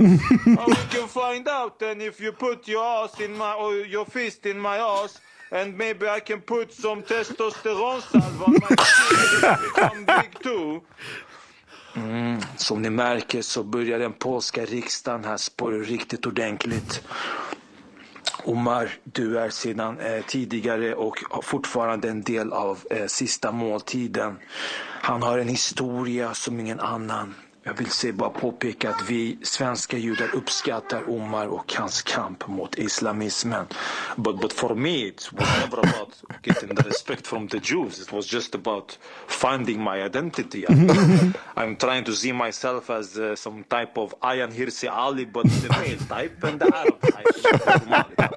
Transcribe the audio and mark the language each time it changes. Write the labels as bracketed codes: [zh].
[en] Oh, we can find out. And if you put your ass in my, or your fist in my ass, and maybe I can put some testosterone salve on my skin if you become big too. [sv] Som ni märker så börjar den polska riksdagen här spåra riktigt ordentligt. Omar, du är sedan tidigare och fortfarande en del av sista måltiden. Han har en historia som ingen annan. Jag vill se bara påpeka att vi svenska judar uppskattar Omar och hans kamp mot islamismen. [en] But for me, it was never about getting the respect from the Jews. It was just about finding my identity. I'm trying to see myself as some type of Ayan Hirsi Ali, but the male type and the Arab type.